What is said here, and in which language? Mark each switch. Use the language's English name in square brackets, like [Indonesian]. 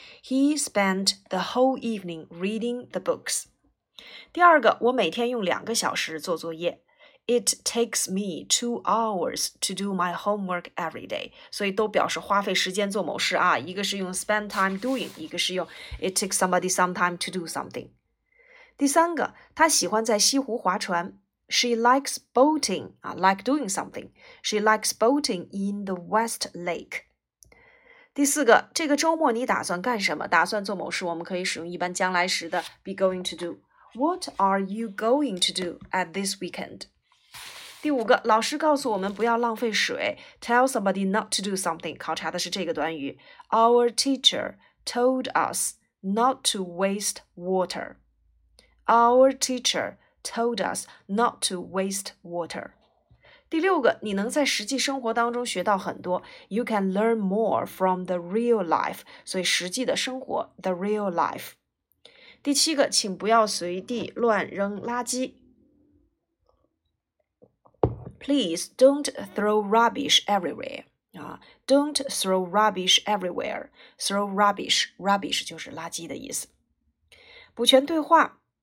[English] He spent the whole evening reading the books. [Chinese] 第二个，我每天用两个小时做作业。 [English] It takes me 2 hours to do my homework every day. [Chinese] 所以都表示花费时间做某事一个是用 [English] spend time doing， [Chinese] 一个是用 [English] it takes somebody some time to do something。 [Chinese] 第三个，他喜欢在西湖划船。 [English] She likes boating, like doing something. She likes boating in the West Lake. [Chinese] 第四个，这个周末你打算干什么？打算做某事，我们可以使用一般将来时的 [English] be going to do。 What are you going to do at this weekend? [Chinese] 第五个，老师告诉我们不要浪费水。 [English] Tell somebody not to do something. [Chinese] 考察的是这个短语。 [English] Our teacher told us not to waste water. Our teacher told us not to waste water. [Chinese] 第六个，你能在实际生活当中学到很多。 [English] You can learn more from the real life. [Chinese] 所以实际的生活 , [English] the real life. [Chinese] 第七个，请不要随地乱扔垃圾。 [English] Please don't throw rubbish everywhere. Don't throw rubbish everywhere. Throw rubbish. [Chinese] Rubbish 就是垃圾的意思。补全对话。